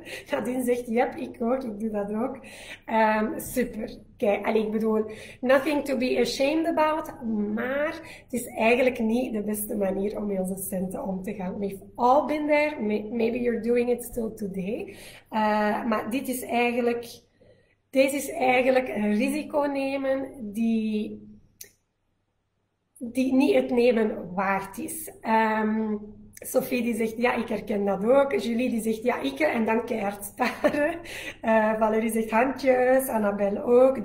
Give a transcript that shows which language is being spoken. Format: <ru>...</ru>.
<nl>Nadine zegt, yep, ik ook, ik doe dat ook. Super, kijk, okay. Ik bedoel,</nl> <en>nothing to be ashamed about,</en> <nl>maar het is eigenlijk niet de beste manier om met onze centen om te gaan.</nl> <en>We've all been there, maybe you're doing it still today.</en> <nl>Maar dit is eigenlijk... Deze is eigenlijk een risico nemen die niet het nemen waard is. Sophie die zegt, ja, ik herken dat ook. Julie die zegt, ja, ik. En dan keihard staren. Valerie zegt, handjes. Annabelle ook.</nl>